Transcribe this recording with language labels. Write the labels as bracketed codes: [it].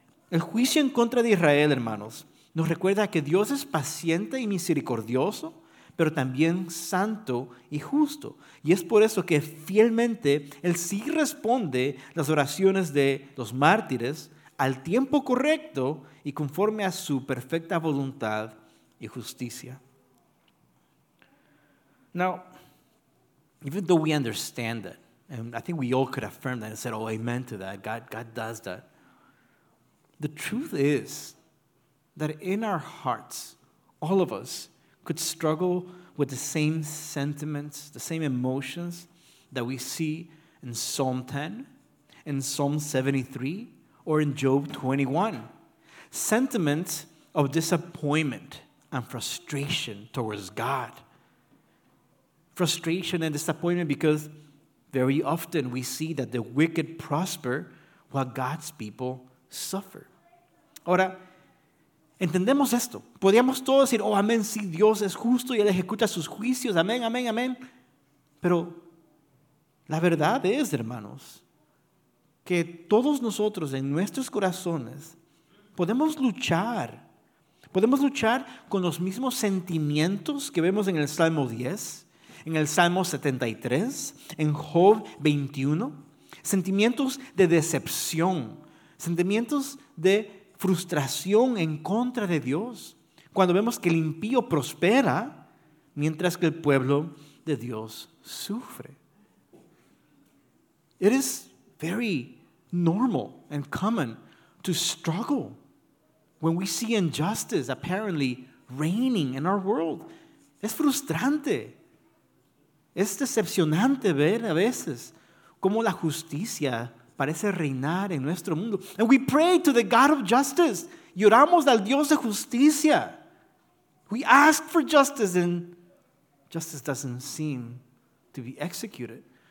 [es] El juicio en contra de Israel, hermanos, nos recuerda que Dios es paciente y misericordioso, pero también santo y justo. Y es por eso que fielmente Él sí responde las oraciones de los mártires al tiempo correcto y conforme a su perfecta voluntad y justicia. [en] Now, even though we understand that, and I think we all could affirm that and said, oh, amen to that, God does that. The truth is that in our hearts, all of us could struggle with the same sentiments, the same emotions that we see in Psalm 10, in Psalm 73, or in Job 21. Sentiments of disappointment and frustration towards God. Frustration and disappointment because very often we see that the wicked prosper while God's people suffer. [es] Ahora, entendemos esto. Podríamos todos decir, oh, amén, sí, Dios es justo y Él ejecuta sus juicios. Amén, amén, amén. Pero la verdad es, hermanos, que todos nosotros en nuestros corazones podemos luchar. Podemos luchar con los mismos sentimientos que vemos en el Salmo 10, en el Salmo 73, en Job 21. Sentimientos de decepción, sentimientos de frustración en contra de Dios cuando vemos que el impío prospera mientras que el pueblo de Dios sufre. [en] It is very normal and common to struggle when we see injustice apparently reigning in our world. [es] Es frustrante. Es decepcionante ver a veces cómo la justicia parece reinar en nuestro mundo. [en] And we pray to the God of justice. [es] Y oramos al Dios de justicia. [en] We ask for justice and justice doesn't seem to be executed.